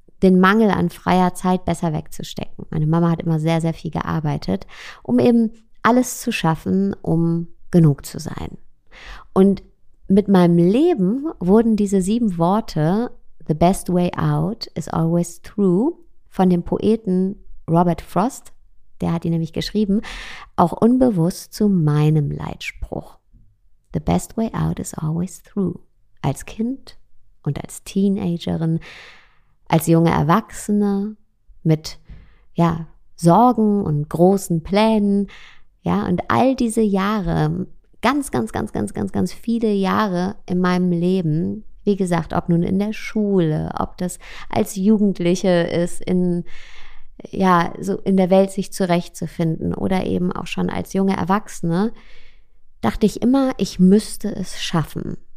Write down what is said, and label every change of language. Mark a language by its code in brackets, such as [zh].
[de] den Mangel an freier Zeit besser wegzustecken. Meine Mama hat immer sehr, sehr viel gearbeitet, um eben alles zu schaffen, um genug zu sein. Und mit meinem Leben wurden diese 7 Worte, [en] the best way out is always through, [de] von dem Poeten Robert Frost, der hat ihn nämlich geschrieben, auch unbewusst zu meinem Leitspruch. [en] The best way out is always through. [de] Als Kind und als Teenagerin, als junge Erwachsene mit ja, Sorgen und großen Plänen, ja, und all diese Jahre, ganz viele Jahre in meinem Leben, wie gesagt, ob nun in der Schule, ob das als Jugendliche ist, in ja, so in der Welt sich zurechtzufinden oder eben auch schon als junge Erwachsene, dachte ich immer, ich müsste es schaffen.